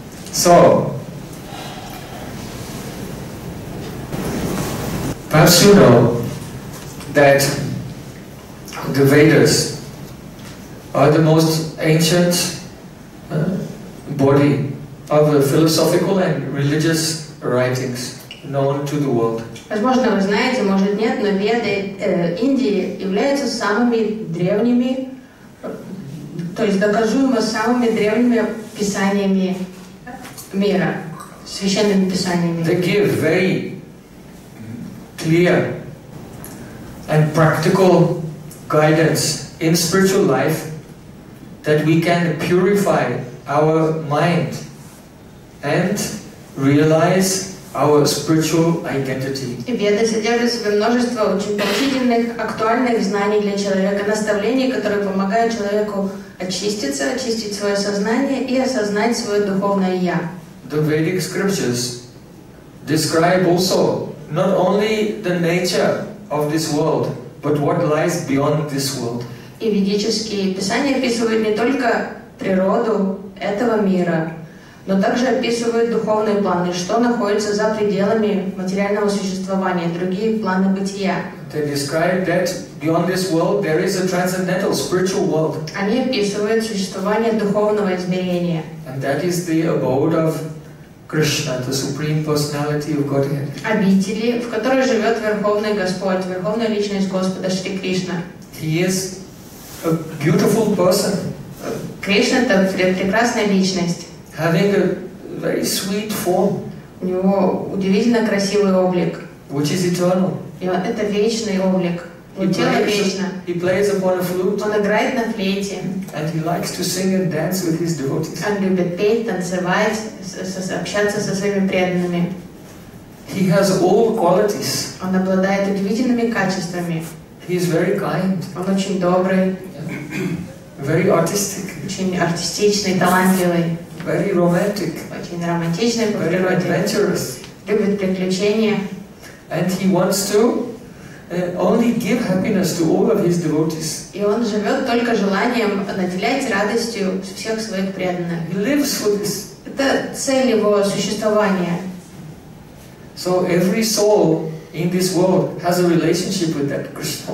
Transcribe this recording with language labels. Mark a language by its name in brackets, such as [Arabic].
[English] So, perhaps you know that the Vedas are the most ancient body of philosophical and religious writings known to the world. [Russian] Возможно, вы знаете, может нет, но Веды Индии являются самыми древними, то есть доказуемо самыми древними писаниями мира, священными писаниями. [English] They give very clear and practical guidance in spiritual life that we can purify our mind and realize our spiritual identity. [Russian] І Веда содержит в себе множество очень поучительных, актуальных знаний для человека, наставлений, которые помогают человеку очиститься, очистить свое сознание и осознать свое духовное я. [English] The Vedic scriptures describe also not only the nature of this world, but what lies beyond this world. [Russian] І ведические писания описывают не только природу этого мира, но также описывают духовные планы, что находится за пределами материального существования, другие планы бытия. [English] They describe that beyond this world there is a transcendental spiritual world. [Russian] Они описывают существование духовного измерения. [English] And that is the abode of Krishna, the Supreme Personality of Godhead. [Russian] Обители, в которой живет Верховный Господь, Верховная Личность Господа Шри Кришна. [English] He is a beautiful person. [Russian] Кришна – это прекрасная личность. [English] Having a very sweet form. [Russian] У него удивительно красивый облик. [English] Which is eternal. [Russian] И вот это вечный облик. Тело вечно. [English] He plays upon a flute. [Russian] Он играет на флейте. [English] And he likes to sing and dance with his devotees. [Russian] Он любит петь, танцевать, общаться со своими преданными. [English] He has all qualities. [Russian] Он обладает удивительными качествами. [English] He is very kind. [Russian] Он очень добрый. [English] Very artistic. [Russian] Очень артистичный, талантливый. [English] Very romantic. [Russian] Очень романтичный по [English] Very [Russian] природе. [English] Adventurous. [Russian] Любит приключения. [English] And he wants to only give happiness to all of his devotees. [Russian] И он живет только желанием наделять радостью всех своих преданных. [English] He lives for this. [Russian] Это цель его существования. [English] So every soul in this world has a relationship with that Krishna.